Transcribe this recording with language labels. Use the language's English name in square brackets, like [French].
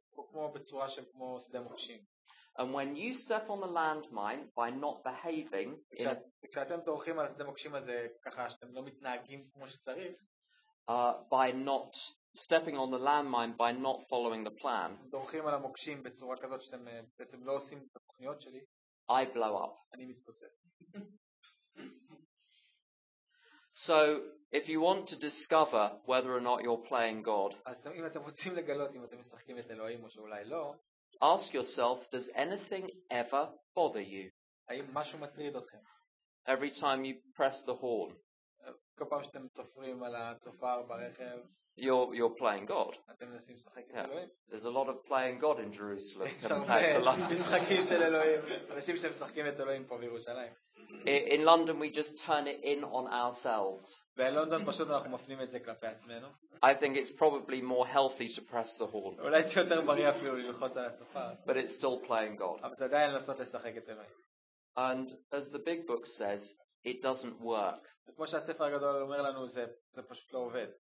[Hebrew] כמו בצורה של כמו שדה מוקשים. [English] And when you step on the landmine by not behaving, [Hebrew] כשאתם דורכים על שדה מוקשים הזה ככה שאתם לא מתנהגים כמו שצריך, [English] by not stepping on the landmine by not following the plan, [Hebrew] דורכים על המוקשים בצורה כזאת שאתם בעצם לא עושים את התוכניות שלי, [English] I blow up. [Hebrew] אני מתפוצץ. [English] So if you want to discover whether or not you're playing God, [Hebrew] אם אתם רוצים לגלות אם אתם משחקים את אלוהים או שאולי לא, [English] ask yourself, does anything ever bother you? [Hebrew] האם משהו מטריד אתכם? [English] Every time you press the horn, [Hebrew] כל פעם שאתם תופרים על הצופר ברכב, [English] you're playing God. [Hebrew] אתם מנסים לשחק את אלוהים? [English] There's a lot of playing God in Jerusalem. [Hebrew] משחקים של אלוהים. אנשים שמשחקים את אלוהים פה בירושלים. [English] In London, we just turn it in on ourselves. [Hebrew] בלונדון פשוט אנחנו מפנים את זה כלפי עצמנו. [English] I think it's probably more healthy to press the horn. [Hebrew] אולי זה יותר בריא אפילו ללחוץ על הצופר. [English] But it's still playing God. [Hebrew] אבל זה עדיין לנסות לשחק את אלוהים. [English] And as the big book says, it doesn't work. [Hebrew] כמו שהספר הגדול אומר לנו, זה פשוט לא עובד.